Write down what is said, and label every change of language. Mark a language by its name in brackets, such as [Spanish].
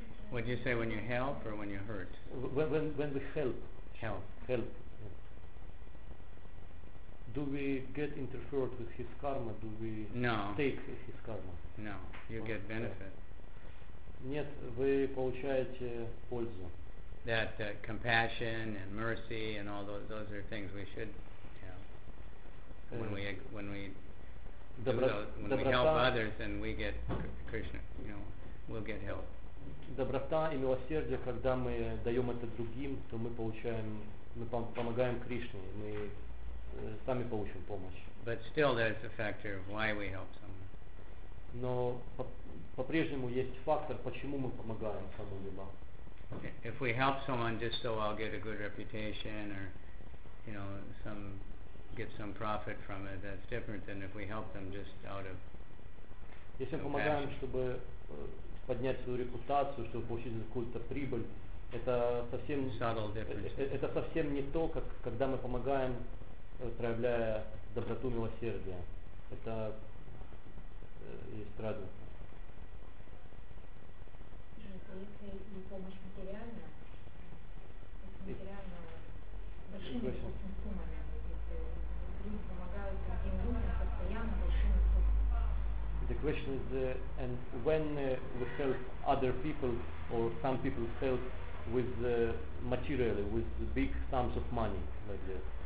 [English] What do you say when you help or when you hurt? When we help. Help. Do we get interfered with his karma? Do we no. take his karma? No. You get benefit. [Russian] Нет, вы получаете пользу. [English] That compassion and mercy and all those are things we should, you know, when we help others, then we get Krishna, you know, we'll get help. [Russian] Доброта и милосердие, когда мы даем это другим, то мы получаем, мы помогаем Кришне, мы сами получим помощь. [English] But still there's a factor of why we help someone. [Russian] Но по-прежнему есть фактор, почему мы помогаем кому-либо. [English] If we help someone just so I'll get a good reputation or, you know, some get some profit from it, that's different than if we help them just out of compassion. [Russian] Если помогаем, чтобы поднять свою репутацию, чтобы получить какую-то прибыль, это совсем не то, как когда мы помогаем, проявляя доброту, милосердие. Это есть разница. Если не помощь материальная, большими суммами, если люди помогают другим людям постоянно, большими суммами. [English] The question is, and when we help other people, or some people help with material, with big sums of money, like this.